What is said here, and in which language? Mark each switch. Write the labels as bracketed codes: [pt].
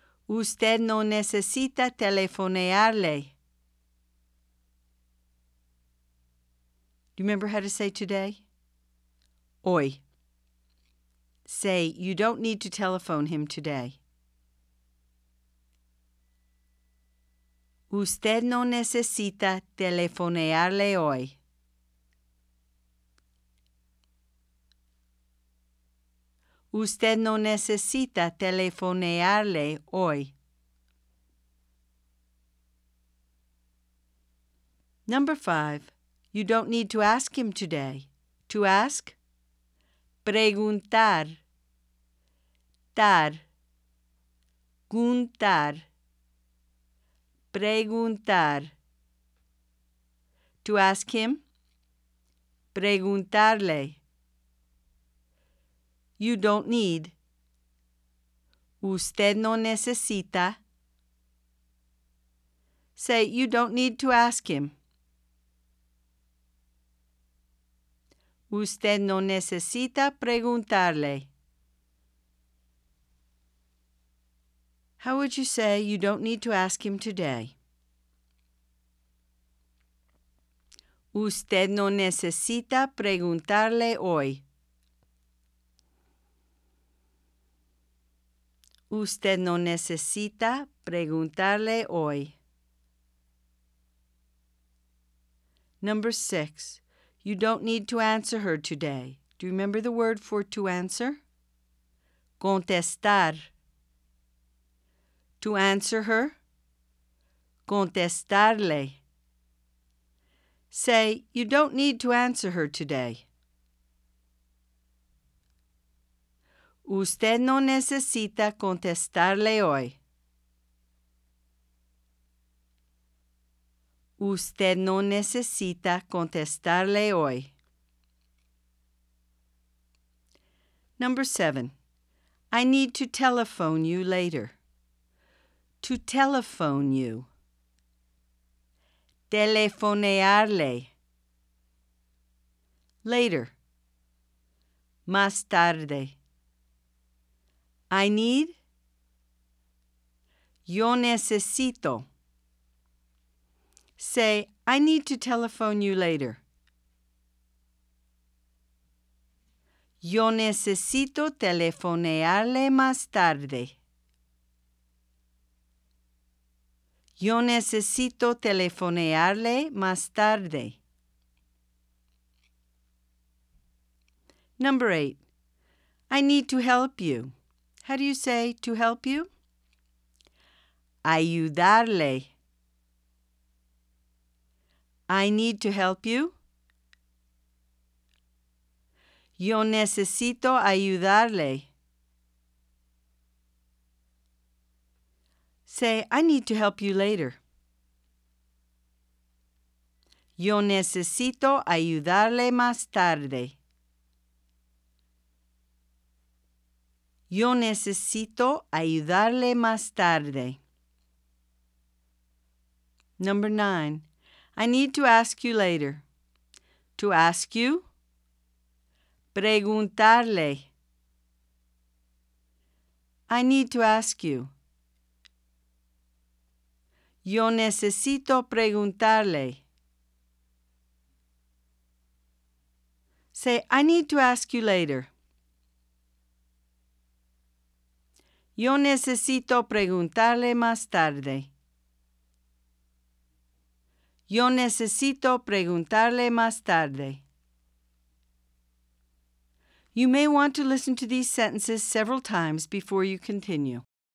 [es] Usted no necesita telefonearle. [en] Do you remember how to say today? Hoy. Say, you don't need to telephone him today. [es] Usted no necesita telefonearle hoy. Usted no necesita telefonearle hoy. [en] Number 5. You don't need to ask him today. To ask? [es] Preguntar. Dar. Guntar. Preguntar. [en] To ask him. [es] Preguntarle. [en] You don't need. [es] Usted no necesita. [en] Say, you don't need to ask him. [es] Usted no necesita preguntarle. [en] How would you say you don't need to ask him today? [es] Usted no necesita preguntarle hoy. Usted no necesita preguntarle hoy. [en] Number 6. You don't need to answer her today. Do you remember the word for to answer? [es] Contestar. [en] To answer her. [es] Contestarle. [en] Say, you don't need to answer her today. [es] Usted no necesita contestarle hoy. Usted no necesita contestarle hoy. [en] Number 7. I need to telephone you later. To telephone you. [es] Telefonearle. [en] Later. [es] Más tarde. [en] I need. [es] Yo necesito. [en] Say, I need to telephone you later. [es] Yo necesito telefonearle más tarde. Yo necesito telefonearle más tarde. [en] Number 8. I need to help you. How do you say to help you? [es] Ayudarle. [en] I need to help you. [es] Yo necesito ayudarle. [en] Say, I need to help you later. [es] Yo necesito ayudarle más tarde. Yo necesito ayudarle más tarde. [en] Number 9. I need to ask you later. To ask you. [es] Preguntarle. [en] I need to ask you. [es] Yo necesito preguntarle. [en] Say, I need to ask you later. [es] Yo necesito preguntarle más tarde. Yo necesito preguntarle más tarde. [en] You may want to listen to these sentences several times before you continue.